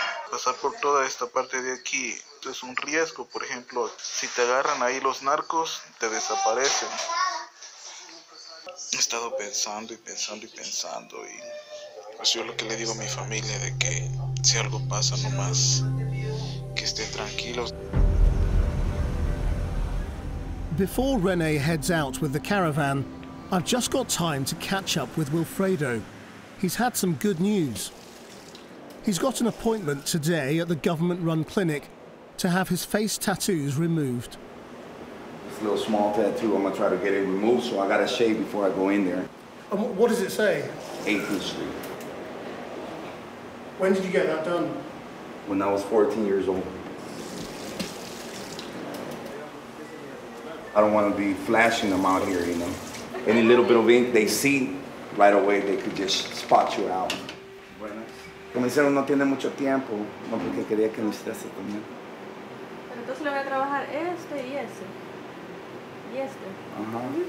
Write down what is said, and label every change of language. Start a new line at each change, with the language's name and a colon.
Spanish: Pasar por toda esta parte de aquí es un riesgo, por ejemplo, si te agarran ahí los narcos, te desaparecen. He estado pensando y pues yo lo que le digo a mi familia de que si algo pasa nomás que estén tranquilos.
English: Before René heads out with the caravan, I've just got time to catch up with Wilfredo. He's had some good news. He's got an appointment today at the government-run clinic to have his face tattoos removed. This little small tattoo, I'm gonna try to get it removed, so I gotta shave before I go in there. And what does it say? 18th Street. When did you get that done? When I was 14 years old. I don't wanna be flashing them out here, you know. Any little bit of ink they see, right away they could just spot you out.
Spanish: Comenzaron no tiene mucho tiempo, porque quería que me hiciera ese también. Entonces le voy a trabajar este y ese. Y este. Ajá.